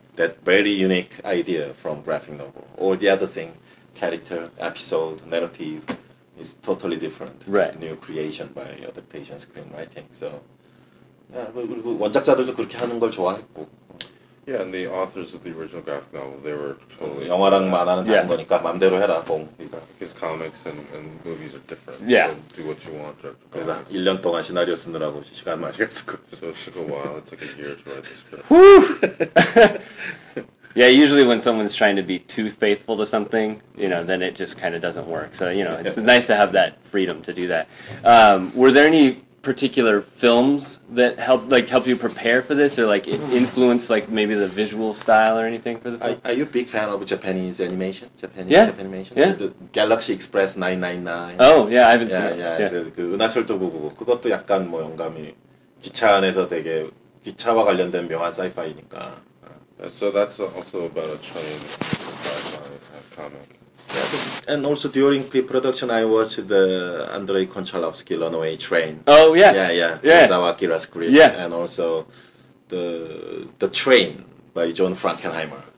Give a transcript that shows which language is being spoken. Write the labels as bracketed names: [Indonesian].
[English] That very unique idea from graphic novel. Or the other thing, character, episode, narrative is totally different. Right. New creation by adaptation screenwriting. So, yeah, [Korean] 원작자들도 그렇게 하는 걸 좋아했고. [English] Yeah, and the authors of the original graphic novel, they were totally... [Korean] 영화랑 만화는 다른 거니까 맘대로 해라, 봉. [English] Because comics and movies are different. Yeah. Do what you want. [Korean] 그래서 1년 동안 시나리오 쓰느라고 시간 많이 했었고. [English] So it took a while. It took a year to write the script. Yeah, usually when someone's trying to be too faithful to something, you know, then it just kind of doesn't work. So, you know, it's nice to have that freedom to do that. Were there any particular films that helped you prepare for this, or like influence like maybe the visual style or anything for the film? Are you a big fan of Japanese animation? Japanese animation? Yeah. The Galaxy Express 999. Oh, yeah, I haven't seen it. Yeah. [Korean] 그 은하철도 999. 그것도 약간 뭐 영감이 기차 안에서 되게 기차와 관련된 묘한 사이파이니까. [English] So that's also about a train sci-fi comic. And also during pre-production, I watched the Andrei Konchalovsky Runaway Train. Oh, yeah. Yeah, yeah. Kurosawa Akira's script. Yeah. And also the Train by John Frankenheimer.